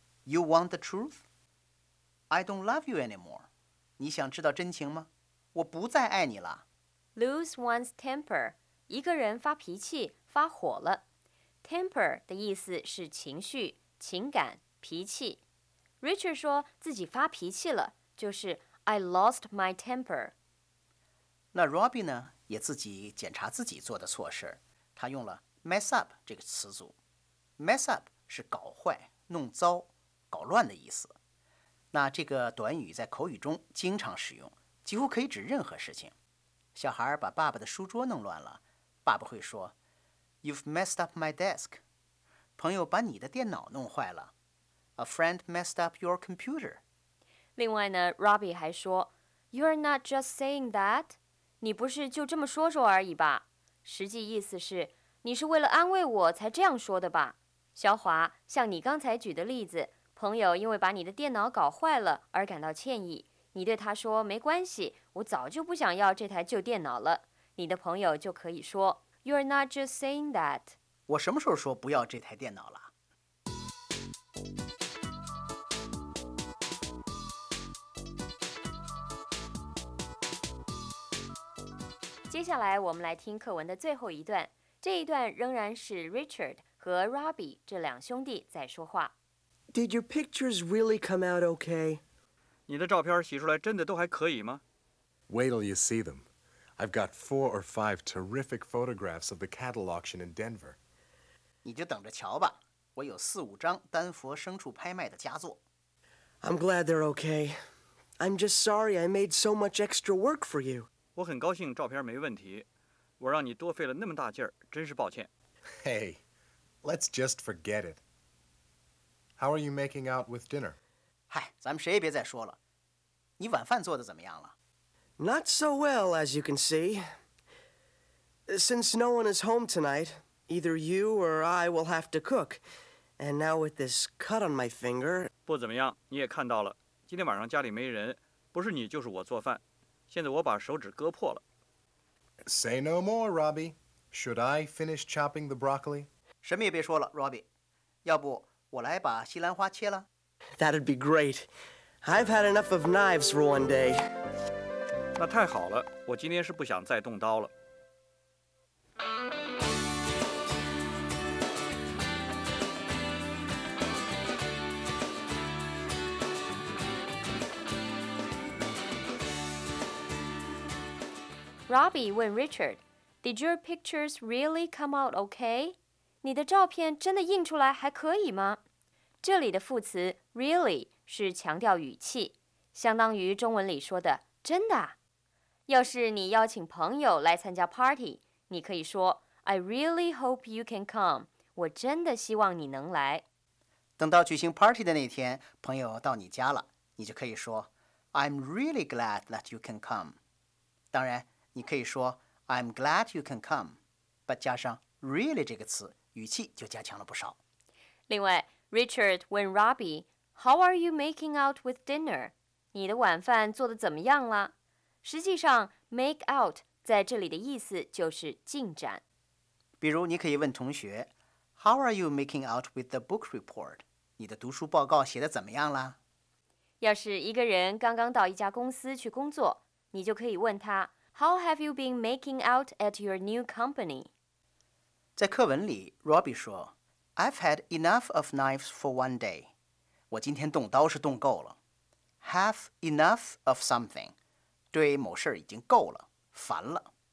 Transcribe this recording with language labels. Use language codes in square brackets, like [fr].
[en] You want the truth? I don't love you anymore. [zh] 你想知道真情吗？我不再爱你了。 [en] Lose one's temper. [zh] 一个人发脾气，发火了。 Temper 的意思是情绪、情感、脾气。 Richard 说自己发脾气了，就是 [en] I lost my temper. [zh] 那 Robbie 呢，也自己检查自己做的错事，他用了 mess up 这个词组。 Mess up 是搞坏、弄糟、搞乱的意思。那这个短语在口语中经常使用，几乎可以指任何事情。小孩把爸爸的书桌弄乱了，爸爸会说 [en] You've messed up my desk. [zh] 朋友把你的电脑弄坏了。 [en] A friend messed up your computer. [zh] 另外呢 [en] ,Robbie [zh] 还说 [en] You're not just saying that. [zh] 你不是就这么说说而已吧。实际意思是你是为了安慰我才这样说的吧。小华，像你刚才举的例子，朋友因为把你的电脑搞坏了而感到歉意。你对他说没关系，我早就不想要这台旧电脑了。你的朋友就可以说 [en] You're not just saying that. [zh] 我什么时候说不要这台电脑了？接下来我们来听课文的最后一段，这一段仍然是 Richard 和 Robbie 这两兄弟在说话。 [en] Did your pictures really come out okay? [zh] 你的照片洗出来真的都还可以吗？ [en] Wait till you see them. I've got 4 or 5 terrific photographs of the cattle auction in Denver. [zh] 你就等着瞧吧，我有4-5张丹佛牲畜拍卖的佳作。 [en] I'm glad they're okay. I'm just sorry I made so much extra work for you. [zh] 我很高兴照片没问题，我让你多费了那么大劲儿，真是抱歉。 [en] Hey, let's just forget it. How are you making out with dinner? [zh] 嗨，咱们谁也别再说了。你晚饭做得怎么样了？ [en] Not so well, as you can see. Since no one is home tonight, either you or I will have to cook. And now with this cut on my finger... [zh] 不怎么样，你也看到了，今天晚上家里没人，不是你就是我做饭。现在我把手指割破了。 [en] Say no more, Robbie. Should I finish chopping the broccoli? [zh] 什么也别说了 ,Robbie. 要不我来把西兰花切了。 [en] That'd be great. I've had enough of knives for one day. [zh] 那太好了，我今天是不想再动刀了。 [en] Robbie 问 Richard, Did your pictures really come out okay? [zh] 你的照片真的印出来还可以吗？这里的副词 really 是强调语气，相当于中文里说的真的。要是你邀请朋友来参加 party, 你可以说 [en] I really hope you can come, [zh] 我真的希望你能来。等到举行 party 的那天，朋友到你家了，你就可以说 [en] I'm really glad that you can come. [zh] 当然你可以说 [en] I'm glad you can come, but [zh] 加上 really 这个词，语气就加强了不少。另外 [en] ，Richard 问 Robbie, "How are you making out with dinner?" [zh] 你的晚饭做得怎么样了？实际上 ，make out 在这里的意思就是进展。比如，你可以问同学 [en] "How are you making out with the book report?" [zh] 你的读书报告写得怎么样了？要是一个人刚刚到一家公司去工作，你就可以问他。 [en] How have you been making out at your new company? [zh] 在课文里 [en] ,Robbie 说 I've had enough of knives for one day. [zh] 我今天动刀是动够了。 [en] Have enough of something. [zh] 对某事已经够了，烦了。